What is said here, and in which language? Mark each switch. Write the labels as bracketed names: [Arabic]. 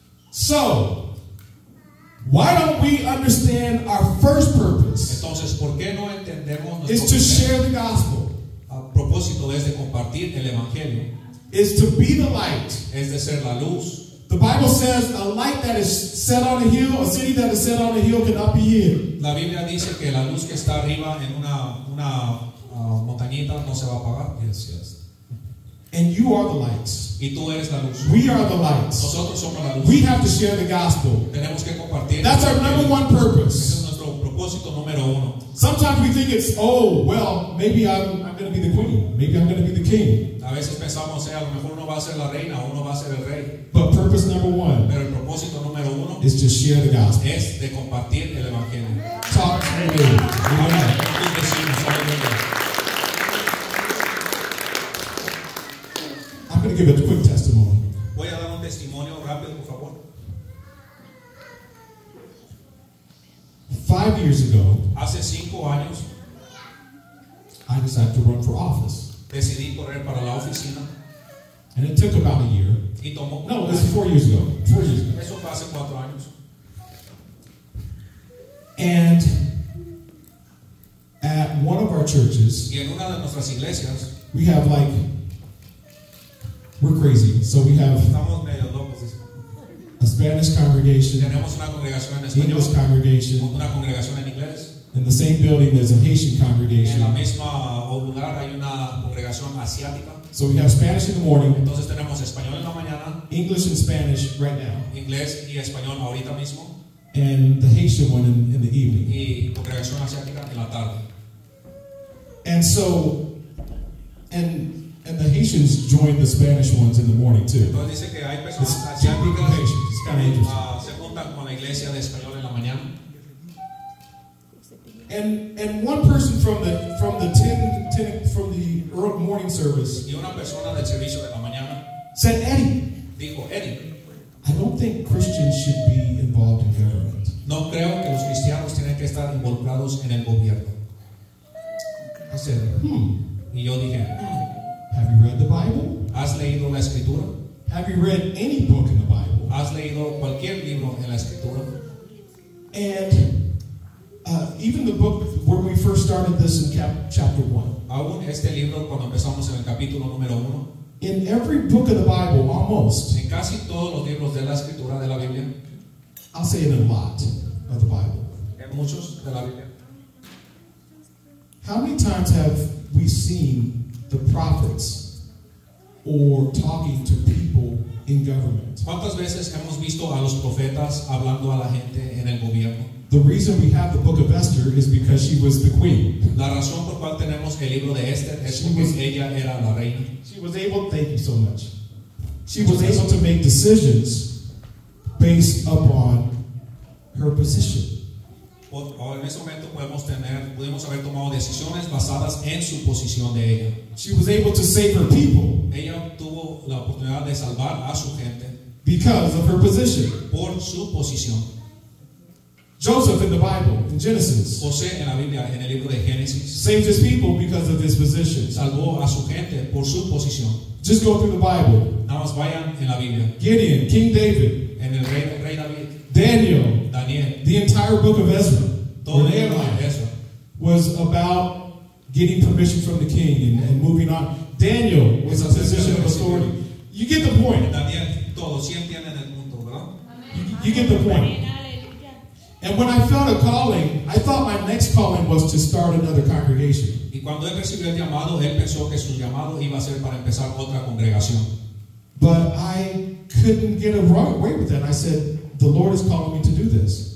[English] So, why don't we understand our first purpose? [Spanish] Entonces, ¿por qué no entendemos nuestro [English] is to primer? Share the gospel. [Spanish] A propósito es de compartir el evangelio. [English] Is to be the light. [Spanish] Es de ser la luz. [English] The Bible says a light that is set on a hill, a city that is set on a hill cannot be hid. [Spanish] La Biblia dice que la luz que está arriba en una montañita no se va a apagar. [English] Yes, yes. And you are the lights. [Spanish] Y tú eres la luz. [English] We are the lights. [Spanish] Nosotros somos la luz. [English] We have to share the gospel. [Spanish] Tenemos que compartir. [English] That's our number one purpose. [Spanish] Ese es nuestro propósito número uno. [English] Sometimes we think it's, oh, well, maybe I'm going to be the queen. Maybe I'm going to be the king. [Spanish] A veces pensamos, a lo mejor uno va a ser la reina o uno va a ser el rey. [English] But purpose number one. [Spanish] Pero el propósito número uno [English] is to share the gospel. [Spanish] Es de compartir el evangelio. [English] Talk to me. Amen. I'm going to give a quick testimony. [Spanish] Voy a dar un testimonio rápido, por favor. [English] 5 years ago, [Spanish] hace 5 años, [English] I decided to run for office. [Spanish] Decidí correr para la oficina. [English] And it took about a year. [Spanish] Y tomó [English] no, this is 4 years ago. 4 years ago. [Spanish] Eso fue hace 4 años. [English] And at one of our churches, [Spanish] y en una de nuestras iglesias, [English] we have like we're crazy, so we have a Spanish congregation, English congregation, [Spanish] una congregación en inglés. [English] In the same building there's a Haitian congregation, [Spanish] en la misma lugar hay una congregación asiática. [English] So we have Spanish in the morning, [Spanish] entonces tenemos español en la mañana, [English] English and Spanish right now, [Spanish] inglés y español ahorita mismo, [English] and the Haitian one in the evening, [Spanish] y congregación asiática en la tarde. [English] And so, and the Haitians join the Spanish ones in the morning too. [Spanish] Entonces dice que hay personas asiáticas, [English] it's kind of interesting. [Spanish] Se juntan con la iglesia de español en la mañana. [English] And one person from the early morning service. [Spanish] Y una persona del servicio de la mañana. [English] Said Eddie. [Spanish] Dijo Eddie. [English] I don't think Christians should be involved in government. [Spanish] No creo que los cristianos tienen que estar involucrados en el gobierno. [English] I said, [Spanish] Y yo dije. [English] Have you read the Bible? [Spanish] ¿Has leído la escritura? [English] Have you read any book in the Bible? [Spanish] ¿Has leído cualquier libro en la escritura? [English] And even the book where we first started this in chapter 1. [Spanish] ¿Aún este libro cuando empezamos en el capítulo número 1? [English] In every book of the Bible, almost. [Spanish] En casi todos los libros de la escritura de la Biblia. [English] I'll say it in a lot of the Bible. [Spanish] En muchos de la Biblia. [English] How many times have we seen the prophets or talking to people in government? [Spanish] ¿Cuántas veces hemos visto a los profetas hablando a la gente en el gobierno? [English] The reason we have the book of Esther is because she was the queen. [Spanish] La razón por cual tenemos el libro de Esther es porque ella era la reina. [English] She was able, thank you so much. She was able to make decisions based upon her position. [Spanish] O en ese momento pudimos haber tomado decisiones basadas en su posición de ella. [English] She was able to save her people. [Spanish] Ella tuvo la oportunidad de salvar a su gente. [English] Because of her position. [Spanish] Por su posición. [English] Joseph in the Bible, in Genesis. [Spanish] José en la Biblia, en el libro de Génesis. [English] Saved his people because of his position. [Spanish] Salvó a su gente por su posición. [English] Just go through the Bible. [Spanish] Nada más vayan en la Biblia. [English] Gideon, King David. [Spanish] En el rey David. [English] Daniel. The entire book of Ezra. [Spanish] Todo [English] was about getting permission from the king and moving on. Daniel was a position of authority. You get the point. [Spanish] Daniel, todo, si entienden el punto, ¿verdad? [English] You get the point. And when I felt a calling, I thought my next calling was to start another congregation. [Spanish] Y cuando él recibió el llamado, él pensó que su llamado iba a ser para empezar otra congregación. [English] But I couldn't get away with that. I said, the Lord is calling me to do this.